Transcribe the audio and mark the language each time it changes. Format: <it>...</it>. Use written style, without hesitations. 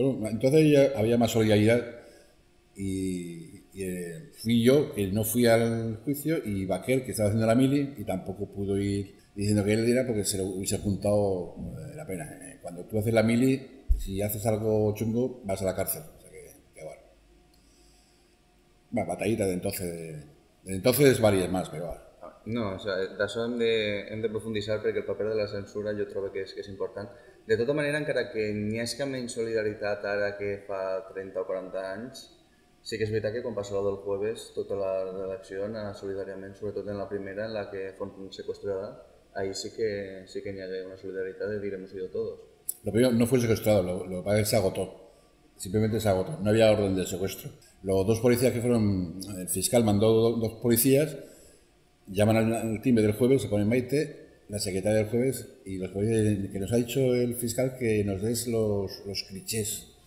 <es>Entonces ya había más solidaridad y fui yo, que no fui al juicio, y Baquer, que estaba haciendo la mili, y tampoco pudo ir diciendo que él diera porque se lo hubiese juntado la pena. Cuando tú haces la mili, si haces algo chungo, vas a la cárcel. O sea que bueno. Bueno, batallita de entonces. Entonces, varias más, pero vale.</es> <ca>No,</ca> <es>o sea,</es> <ca>d'això hem de profunditzar perquè el paper de la censura jo trobo que és important. De tota manera, encara que n'hi hagi menys solidaritat ara que fa 30 o 40 anys, sí que és veritat que quan passa la del jueves, tota la redacció anà solidàriament, sobretot en la primera, en la que fon secuestrada, ahí sí que n'hi hagué una solidaritat de dir</ca> <es>hemos ido todos. Lo primero, no fue secuestrado, lo que se agotó. Simplemente se agotó. No había orden de secuestro. Los dos policías que fueron, el fiscal mandó dos policías, llaman al timbre del jueves, se ponen Maite, la secretaria del jueves, y los policías que nos ha dicho el fiscal que nos des los clichés</es>